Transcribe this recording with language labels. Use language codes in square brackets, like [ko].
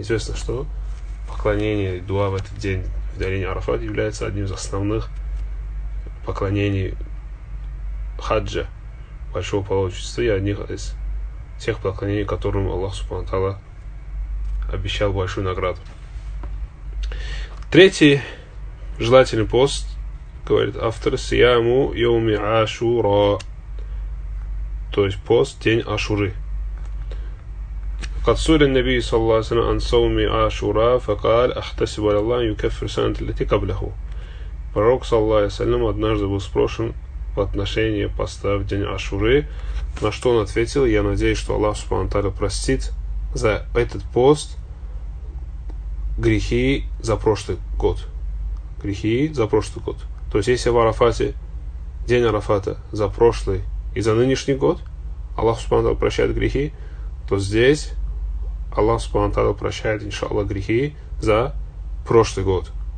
[ru] Известно, что поклонение и дуа в этот день в долине Арафат является одним из основных поклонений хаджа, большого паломничества, и одних из тех поклонений, которым Аллах Субхану Тааля обещал большую награду. Третий Желательный пост, говорит автор, сияму йоуми ашура. То есть пост, день Ашуры. [ar] قد سئل النبي صلى الله عليه وسلم عن صوم عاشوراء فقال احتسب على الله يكفر السنة التي قبله. [ru] Пророк [ar] صلى الله عليه وسلم [ru] однажды был спрошен в отношении поста в день Ашуры, на что он ответил: я надеюсь, что Аллах Субхану Тааля простит за этот пост грехи за прошлый год. Грехи за прошлый год. То есть если в Арафате, день Арафата, за прошлый и за нынешний год Аллах Субхану Тааля прощает грехи, то здесь Аллах Субхану Тааля прощает, иншаллах, грехи за прошлый год.